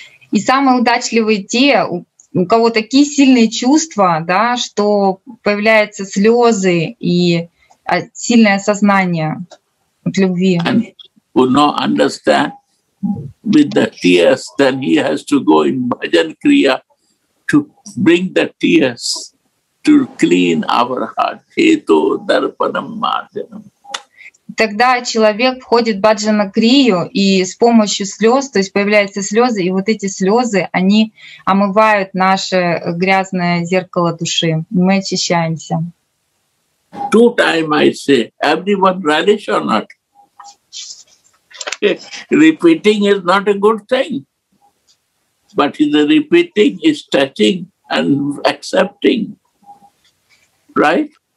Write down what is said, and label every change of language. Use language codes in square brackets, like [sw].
[ru] И самые удачливые те, у кого такие сильные чувства, да, что появляются слезы и сильное осознание от любви. [en] And who not understand with the tears, then he has to go in bhajan kriya to bring the tears to clean our heart. [sa] Hetu darpanam marjanam. [ru] Тогда человек входит в баджана крию и с помощью слез, то есть появляются слезы, и вот эти слезы, они омывают наше грязное зеркало души. Мы очищаемся. [en] Two time I say, everyone relish or not? Repeating is not a good thing, but the repeating is touching and accepting, right?